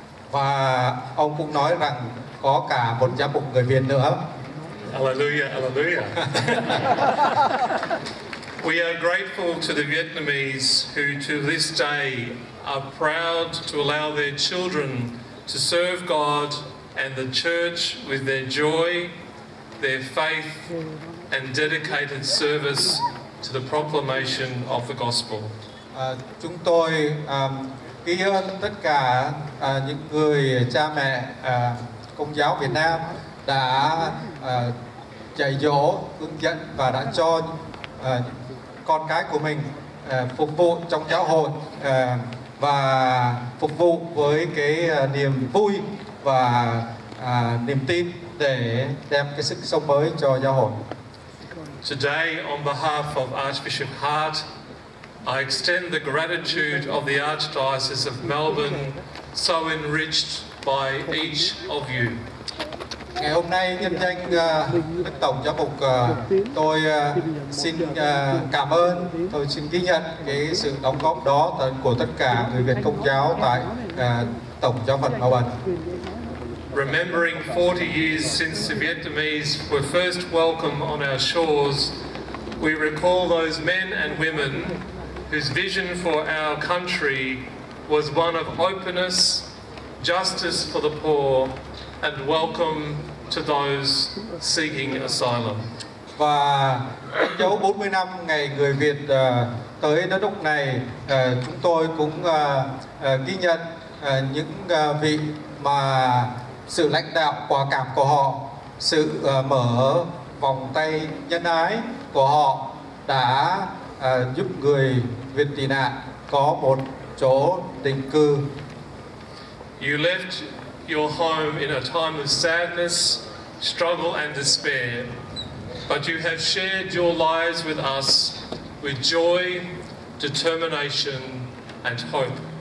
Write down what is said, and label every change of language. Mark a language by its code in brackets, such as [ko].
[vi] Và ông cũng nói rằng có cả một giám mục người Việt nữa. [en] Hallelujah, hallelujah. We are grateful to the Vietnamese who to this day are proud to allow their children to serve God and the church with their joy, their faith and dedicated service to the proclamation of the gospel. [vi] Chúng tôi ghi ơn tất cả những người cha mẹ Công giáo Việt Nam đã dạy dỗ, hướng dẫn và đã cho con cái của mình phục vụ trong giáo hội và phục vụ với cái niềm vui và niềm tin để đem cái sức sống mới cho giáo hội. [en] Today, on behalf of Archbishop Hart, I extend the gratitude of the Archdiocese of Melbourne, so enriched by each of you. [vi] Ngày hôm nay nhân danh Đức Tổng Giám mục tôi xin cảm ơn, tôi xin ghi nhận cái sự đóng góp đó của tất cả người Việt Công giáo tại Tổng Giáo phận Melbourne. [en] Remembering 40 years since the Vietnamese were first welcomed on our shores, we recall those men and women whose vision for our country was one of openness, justice for the poor, and welcome to those seeking asylum. [vi] Và dấu 40 năm ngày người Việt tới đất nước này, chúng tôi cũng ghi nhận những vị mà sự lãnh đạo quả cảm của họ, sự mở vòng tay nhân ái của họ đã giúp người Việt tị nạn có một chỗ định cư. [en] You left your home in a time of sadness, struggle and despair, but you have shared your lives with us with joy, determination and hope.